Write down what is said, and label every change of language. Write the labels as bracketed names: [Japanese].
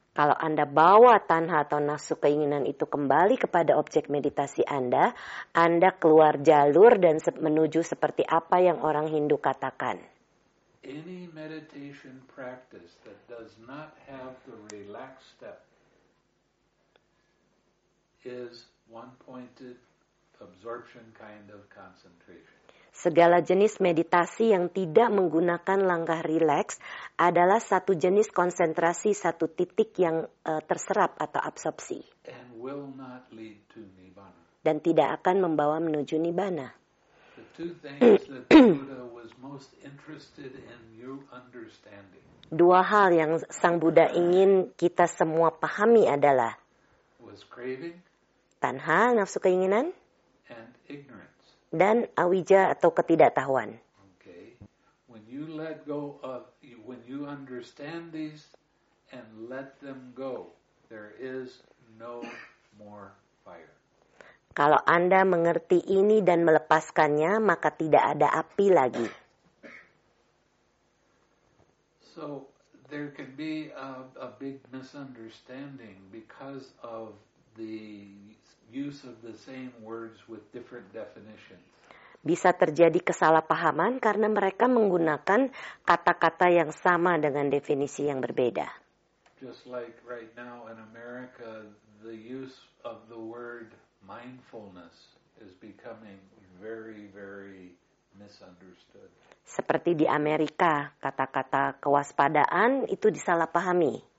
[Indonesian] Kalau Anda bawa tanha atau nafsu keinginan itu kembali kepada objek meditasi Anda, Anda keluar jalur dan menuju seperti apa yang orang Hindu katakan. [English] Any meditation practice that does not have the relaxed step is one-pointed absorption kind of concentration. [Indonesian] Segala jenis meditasi yang tidak menggunakan langkah relax adalah satu jenis konsentrasi satu titik yang terserap atau absorpsi. [English] And will not lead to nibbana. [Indonesian] Dan tidak akan membawa menuju nibbana. [English] The two things that Buddha was most interested in you understanding. [Indonesian] Dua hal yang Sang Buddha ingin kita semua pahami adalah [English] was craving, [Indonesian] tanha, nafsu keinginan, [English] and ignorance. [Indonesian] Dan avijja atau ketidaktahuan. [English] Okay. When you let go of, when you understand these and let them go, there is no more fire. [Indonesian] Kalau Anda mengerti ini dan melepaskannya, maka tidak ada api lagi. [English] So there can be a big misunderstanding because of the use of the same words with different definitions. [Indonesian] Bisa terjadi kesalahpahaman karena mereka menggunakan kata-kata yang sama dengan definisi yang berbeda. [English] Just like right now in America, the use of the word mindfulness is becoming very, very misunderstood. [Indonesian] Seperti di Amerika, kata-kata kewaspadaan itu disalahpahami.